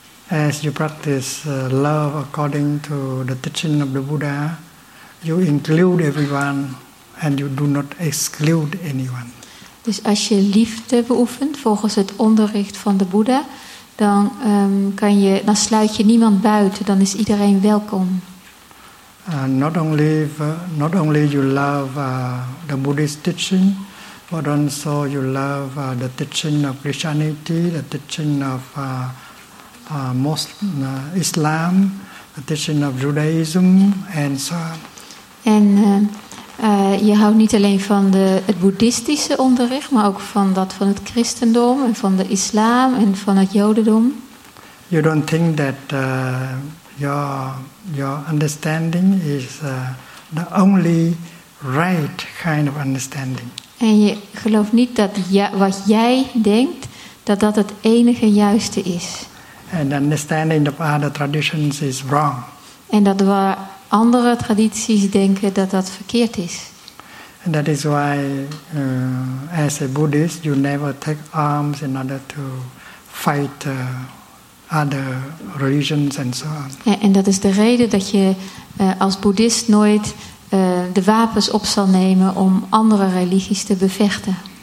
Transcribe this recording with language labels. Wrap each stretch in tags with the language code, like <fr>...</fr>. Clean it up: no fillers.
<en>As you practice love according to the teaching of the Buddha, you include everyone and you do not exclude anyone.</en> <nl>Dus als je liefde beoefent volgens het onderricht van de Boeddha, dan kan je, dan sluit je niemand buiten, dan is iedereen welkom.</nl> <en>Not only you love the Buddhist teaching, but also you love the teaching of Christianity, the teaching of Muslim, Islam, the teaching of Judaism, and so on.</en> <nl>En je houdt niet alleen van het boeddhistische onderricht, maar ook van dat van het christendom en van de islam en van het jodendom.</nl> <en>You don't think that your understanding is the only right kind of understanding.</en> <nl>En je gelooft niet dat wat jij denkt, dat dat het enige juiste is.</nl> <en>And understanding of other traditions is wrong.</en> <nl>En dat waar andere tradities denken, dat dat verkeerd is.</nl> <en>And that is why, as a Buddhist, you never take arms in order to fight other religions and so on.</en> <nl>En dat is de reden dat je als Boeddhist nooit de wapens op zal nemen om andere religies te bevechten.</nl>